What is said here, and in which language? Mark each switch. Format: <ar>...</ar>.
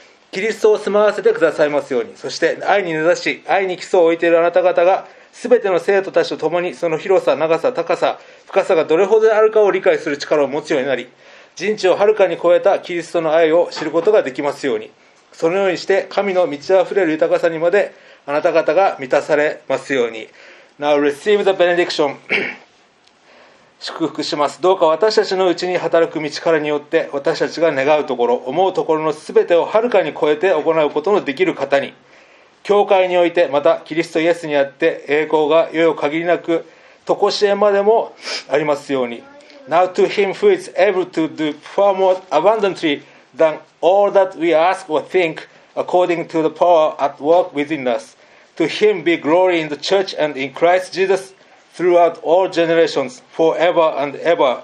<ja>キリストを住まわせてくださいますように、そして愛に根ざし愛に基礎を置いているあなた方がすべての生徒たちと共にその広さ長さ高さ深さがどれほどあるかを理解する力を持つようになり、人知をはるかに超えたキリストの愛を知ることができますように、そのようにして神の満ちあふれる豊かさにまであなた方が満たされますように。</ja> <en>Now receive the benediction</en> <ja>祝福します。どうか私たちのうちに働く道からによって私たちが願うところ思うところのすべてをはるかに超えて行うことのできる方に、教会においてまたキリストイエスにあって栄光がよよ限りなく常しえまでもありますように。</ja> <en>Now to him who is able to do far more abundantly than all that we ask or think according to the power at work within us, to him be glory in the church and in Christ Jesus throughout all generations, forever and ever.</en>